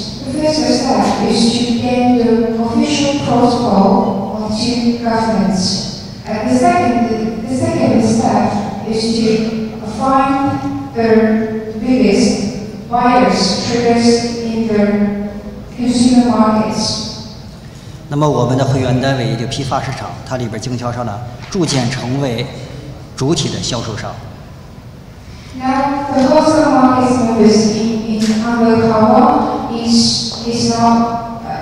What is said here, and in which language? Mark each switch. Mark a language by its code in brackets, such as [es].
[en] First step is to gain the official protocol of two governments. And the second step is to find the biggest buyers, traders in the consumer markets. [zh] 那么我们的会员单位就批发市场，它里边经销商呢，逐渐成为主体的销售商。 [en] Now the wholesale market service in under CAWA is now,